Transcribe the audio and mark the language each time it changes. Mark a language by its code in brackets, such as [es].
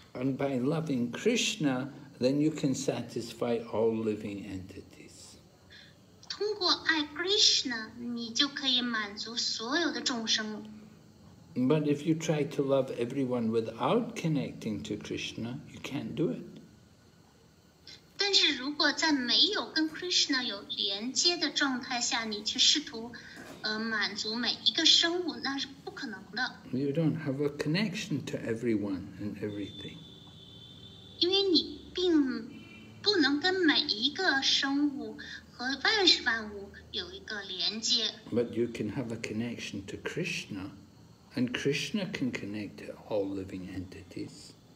[en] And by loving Krishna, then you can satisfy all living entities. [zh] 通过爱 Krishna, 你就可以满足所有的众生。 [en] But if you try to love everyone without connecting to Krishna, you can't do it. [zh] 但是如果在没有跟 Krishna 有连接的状态下，你去试图， 满足每一个生物， 那是不可能的。 [en] You don't have a connection to everyone and everything. [zh] 因为你并不能跟每一个生物。 [en] But you can have a connection to Krishna, and Krishna can connect to all living entities.